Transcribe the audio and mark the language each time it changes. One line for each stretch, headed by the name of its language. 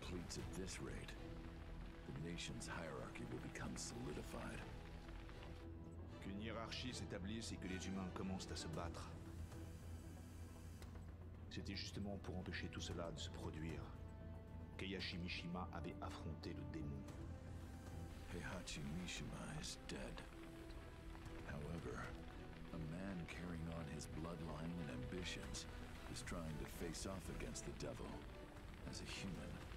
English: At this rate, the nation's hierarchy will become solidified.
French: Qu'une hiérarchie s'établisse et que les humains commencent à se battre. C'était justement pour empêcher tout cela de se produire qu'Heihachi Mishima avait affronté le démon.
English: Heihachi Mishima is dead. However, a man carrying on his bloodline and ambitions is trying to face off against the devil as a human.